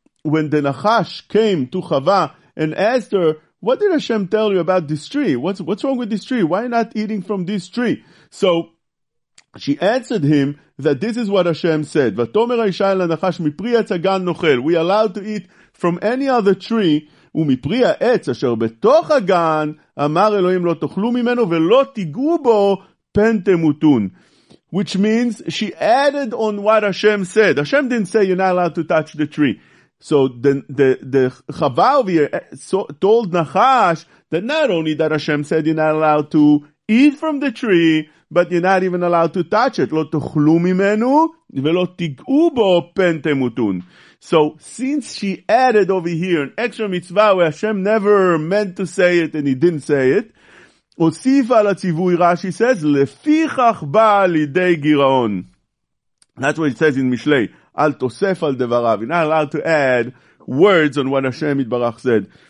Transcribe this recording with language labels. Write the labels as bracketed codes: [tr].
[en] when the Nahash came to Chava and asked her, what did Hashem tell you about this tree? What's wrong with this tree? Why not eating from this tree? So she answered him that this is what Hashem said. [he] Vatomer ha'isha el ha'nachash mipri etz ha'gan nochel. [en] We are allowed to eat from any other tree. [he] ומפרי העץ אשר בתוך הגן אמר אלוהים לא תאכלו ממנו ולא תיגעו בו פן תמותון. [en] Which means she added on what Hashem said. Hashem didn't say you're not allowed to touch the tree. So the Chava over here told Nahash that not only that Hashem said you're not allowed to eat from the tree, but you're not even allowed to touch it. [he] לא תאכלו ממנו ולא תיגעו בו פן תמותון. [en] So since she added over here an extra mitzvah where Hashem never meant to say it and he didn't say it, [he] Osifa la tzivui [en] Rashi says, [he] Lefichach ba lidei giraon. [en] That's what it says in Mishlei. [he] Al tosef al devarav. [en] You're not allowed to add words on what Hashem Yitbarach said.